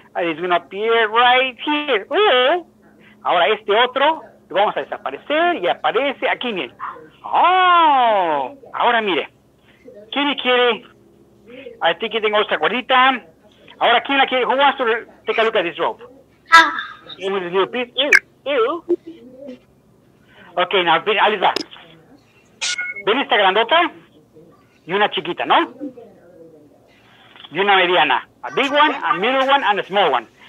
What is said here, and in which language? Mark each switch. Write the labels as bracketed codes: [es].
[en] And it's going to appear right here. Ooh. [es] Ahora este otro, lo vamos a desaparecer. Y aparece aquí, mire. Oh. Ahora mire. ¿Quién le quiere? [en] I think it's [es] tengo esta cuerdita. Ahora, ¿quién la quiere? [en] Who wants to take a look at this rope? Ah. This little piece. Ew. Ew. Okay, now, [es] Alisa, ven esta grandota y una chiquita, ¿no? Y una mediana. [en] A big one, a middle one, and a small one.